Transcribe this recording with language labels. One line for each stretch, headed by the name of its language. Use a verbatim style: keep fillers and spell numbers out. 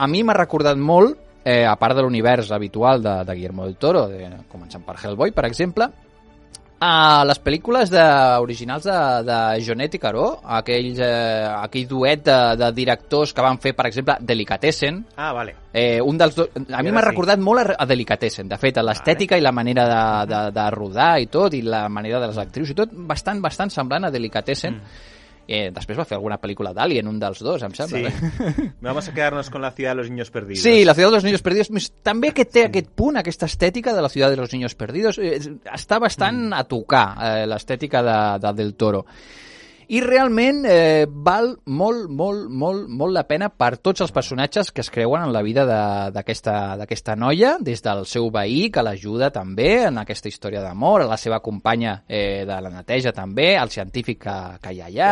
Catalan: A mi m'ha recordat molt, eh, a part de l'univers habitual de, de Guillermo del Toro, de, començant per Hellboy, per exemple, a les pel·lícules de, originals de, de Jaunet i Caro, aquell, eh, aquell duet de, de directors que van fer, per exemple, Delicatessen. Ah, vale. Eh, un dels dos, a mi m'ha sí. recordat molt a, a Delicatessen, de fet, a l'estètica vale. i la manera de, de, de rodar i tot, i la manera de les actrius i tot, bastant, bastant semblant a Delicatessen. Mm. Eh, després va fer alguna película d'Alien, un dels dos, em sembla. Sí.
Spanish: Vamos a quedarnos con La ciudad de los niños perdidos. Sí, La ciudad de los niños perdidos.
Catalan: També que té aquest punt, aquesta estètica de La ciudad de los niños perdidos. Eh, està bastant a tocar eh, l'estètica de, de Del Toro. I realment eh, val molt, molt, molt, molt la pena per tots els personatges que es creuen en la vida d'aquesta de, d'aquesta noia, des del seu veí, que l'ajuda també en aquesta història d'amor, a la seva companya eh, de la neteja també, al científic que, que hi ha allà.